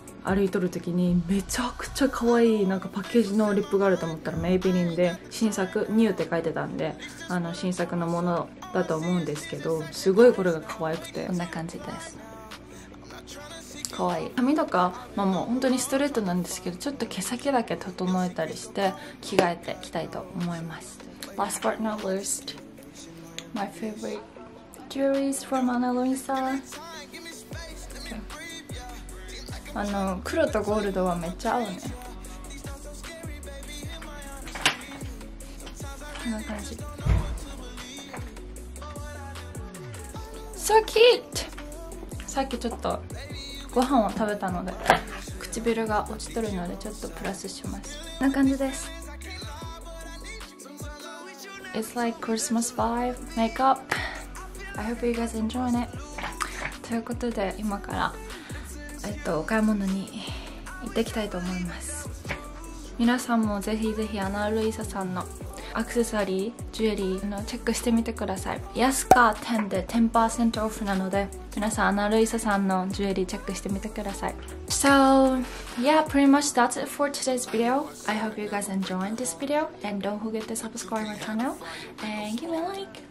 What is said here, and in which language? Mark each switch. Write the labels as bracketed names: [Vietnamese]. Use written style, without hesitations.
[Japanese] 歩いとる時にめちゃくちゃ可愛いなんかパッケージのリップがあると思ったらメイベリンで、新作ニューって書いてたんで、あの新作のものだと思うんですけど、すごいこれが可愛くて、こんな感じです。可愛い髪とか、まあ、もう本当にストレートなんですけど、ちょっと毛先だけ整えたりして着替えてきたいと思います。 [English] Last but not least, my favorite jewelry is from Ana Luisa。 [Japanese] あの黒とゴールドはめっちゃ合うね。こんな感じ。 [English] So cute。 [Japanese] さっきちょっとご飯を食べたので唇が落ちとるのでちょっとプラスします。こんな感じです。 [English] It's like Christmas vibe makeup。 I hope you guys enjoy it。 [Japanese] ということで今からお買い物に行ってきたいと思います。皆さんもぜひぜひアナルイサさんのアクセサリー、ジュエリーのチェックしてみてください。安か10で 10% オフなので、皆さんアナルイサさんのジュエリーチェックしてみてください。 [English] So yeah, pretty much that's it for today's video. I hope you guys enjoyed this video and don't forget to subscribe my channel and give me a like.